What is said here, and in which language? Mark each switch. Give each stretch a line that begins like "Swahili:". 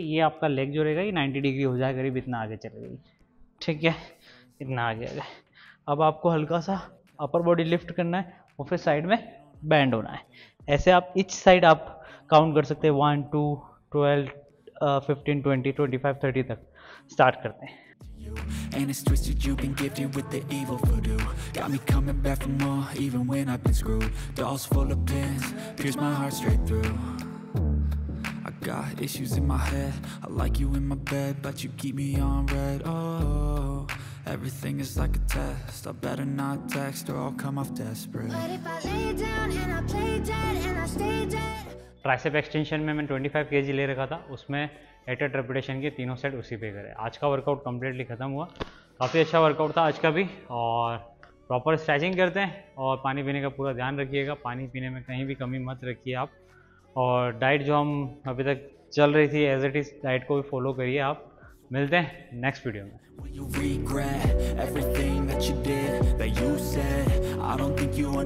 Hindi: ये आपका लेग जो रहेगा ये 90 डिग्री हो जाएगा करीब, इतना आगे चले जाइए, ठीक है, इतना आगे आगे। अब आपको हल्का सा अपर बॉडी लिफ्ट करना है और फिर साइड में बैंड होना है। ऐसे आप इच साइड आप काउंट कर सकते हैं 1, 2, 12, 15, 20, 25, 30 तक। स्टार्ट करते हैं।
English: And it's twisted, you've been gifted with the evil voodoo. Got me coming back for more, even when I've been screwed. Dolls full of pins, pierce my heart straight through. I got issues in my head, I like you in my bed, but you keep me on red. Oh, everything is like a test, I better not text or I'll come off desperate. But if I lay down and I play dead and I stay dead.
Hindi: Tricep extension mein main 25 kg le rakha tha, usme एटर ट्रेपिटेशन के तीनों set उसी पे करें। आज का workout completely ख़त्म हुआ, काफ़ी अच्छा वर्कआउट था आज का भी, और प्रॉपर स्ट्रेचिंग करते हैं, और पानी पीने का पूरा ध्यान रखिएगा, पानी पीने में कहीं भी कमी मत रखिए आप, और डाइट जो हम अभी तक चल रही थी
English: as it is
Hindi: डाइट को भी फॉलो करिए आप। मिलते हैं नेक्स्ट वीडियो में।